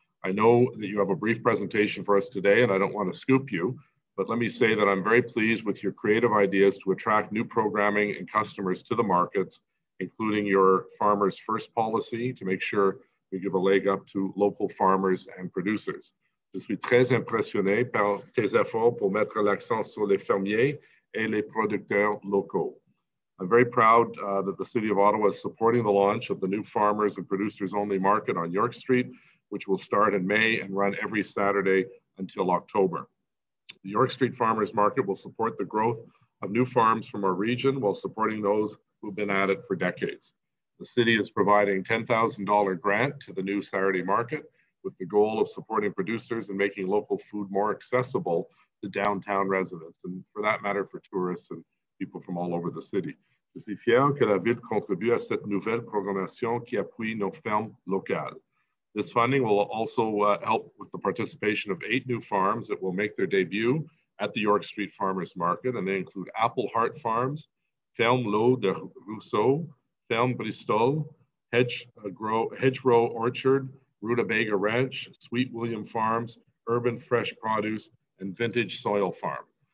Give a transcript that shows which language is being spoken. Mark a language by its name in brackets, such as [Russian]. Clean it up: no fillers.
[English] I know that you have a brief presentation for us today, and I don't want to scoop you, but let me say that I'm very pleased with your creative ideas to attract new programming and customers to the markets, including your Farmers First policy to make sure we give a leg up to local farmers and producers. [French] Je suis très impressionné par tes efforts pour mettre l'accent sur les fermiers et les producteurs locaux. [English] I'm very proud that the City of Ottawa is supporting the launch of the new Farmers and Producers Only Market on York Street, which will start in May and run every Saturday until October. The York Street Farmers Market will support the growth of new farms from our region while supporting those who've been at it for decades. The city is providing a $10,000 grant to the new Saturday market with the goal of supporting producers and making local food more accessible to downtown residents, and for that matter, for tourists and people from all over the city. [French] Je suis fier que la ville contribue à cette nouvelle programmation qui appuie nos fermes locales. [English] This funding will also help with the participation of 8 new farms that will make their debut at the York Street Farmers Market, and they include Apple Heart Farms, Ferme L'Eau de Rousseau, Ferme Bristol, Hedgerow Orchard, Rutabaga Ranch, Sweet William Farms, Urban Fresh Produce, and Vintage Soil Farm.